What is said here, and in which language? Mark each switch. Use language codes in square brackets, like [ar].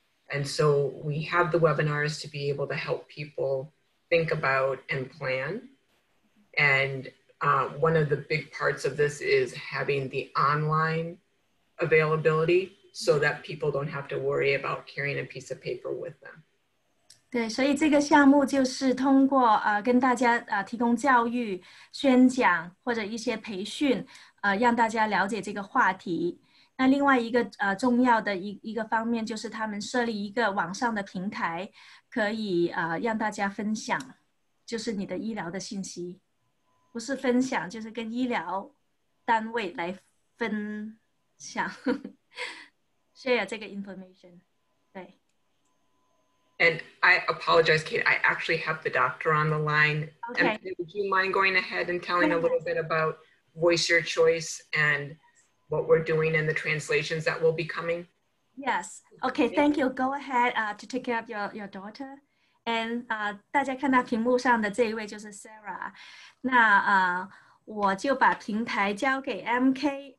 [en] And so we have the webinars to be able to help people think about and plan. And one of the big parts of this is having the online availability so that people don't have to worry about carrying a piece of paper with them. [zh] 对，所以这个项目就是通过跟大家提供教育、宣讲或者一些培训，让大家了解这个话题。那另外一个重要的一个方面就是他们设立一个网上的平台，可以让大家分享，就是你的医疗的信息，不是分享，就是跟医疗单位来分享share 这个 information。 [en] And I apologize, Kate, I actually have the doctor on the line. Okay. And would you mind going ahead and telling a little bit about Voice Your Choice and what we're doing and the translations that will be coming? Yes. Okay, thank you. Go ahead to take care of your daughter. [zh] And 大家看到屏幕上的这一位就是 Sarah. 那我就把平台交给 MK.